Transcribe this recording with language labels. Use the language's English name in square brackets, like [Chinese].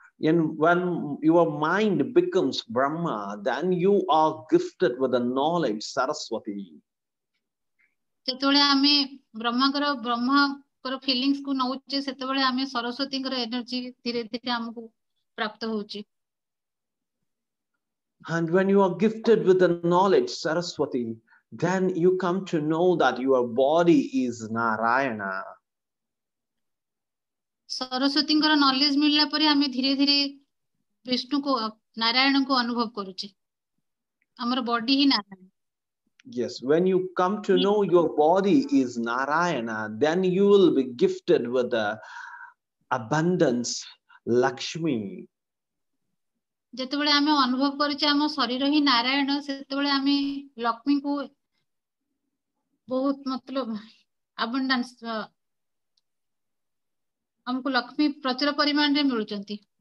[English] And when your mind becomes Brahma, then you are gifted with the knowledge Saraswati. [Odia] ସେତେବେଳେ ଆମେ ବ୍ରହ୍ମାଙ୍କର feelings କୁ ନଉଛେ, ସେତେବେଳେ ଆମେ ସରସ୍ୱତୀଙ୍କର ଏନର୍ଜି ଧୀରେ ଧୀରେ ଆମକୁ ପ୍ରାପ୍ତ ହଉଛି। [English] And when you are gifted with the knowledge Saraswati, then you come to know that your body is Narayana. [Odia] ସରସ୍ୱତୀଙ୍କର knowledge ମିଳିଲା ପରେ ଆମେ ଧୀରେ ଧୀରେ ବିଷ୍ଣୁକୁ, ନାରାୟଣଙ୍କୁ ଅନୁଭବ କରୁଛେ। ଆମର ବଡି ହିଁ Narayan. [English] Yes, when you come to know your body is Narayana, then you will be gifted with the abundance Lakshmi. [Odia] ଯେତେବେଳେ ଆମେ ଅନୁଭବ କରୁଛେ ଆମ ଶରୀର ହିଁ ନାରାୟଣ, ସେତେବେଳେ ଆମେ ଲକ୍ଷ୍ମୀଙ୍କୁ ବହୁତ ଆବଣ୍ଡାନ୍ସ, ଆମକୁ ଲକ୍ଷ୍ମୀ ପ୍ରଚୁର ପରିମାଣରେ ମିଳୁଛନ୍ତି।